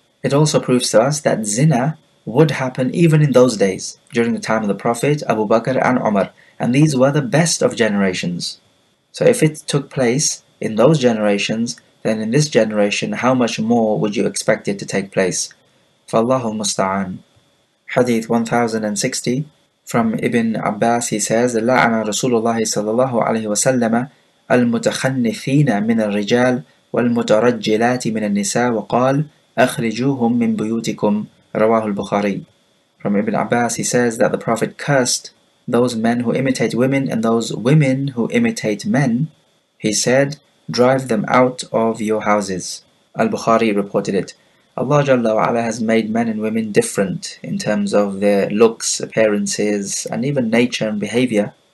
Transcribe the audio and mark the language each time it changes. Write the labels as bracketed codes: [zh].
[en] It also proves to us that zina would happen even in those days, during the time of the Prophet, Abu Bakr and Umar, and these were the best of generations. So if it took place in those generations, then in this generation, how much more would you expect it to take place? [ar] فَاللَّهُ الْمُسْتَعَانِ. [en] Hadith 1060 from Ibn Abbas, he says, [ar] لَعَنَ رَسُولُ اللَّهِ صَلَى اللَّهُ عَلَيْهِ وَسَلَّمَ الْمُتَخَنِّثِينَ مِنَ الرِّجَالِ وَالْمُتَرَجِّلَاتِ مِنَ النِّسَاءِ وَقَالْ أَخْرِجُوهُمْ مِنْ بُيُوتِكُمْ. رواه البخاري. [en] From Ibn Abbas, he says that the Prophet cursed those men who imitate women and those women who imitate men. He said, drive them out of your houses. Al-Bukhari reported it. Allah Jalla wa Ala has made men and women different in terms of their looks, appearances, and even nature and behavior.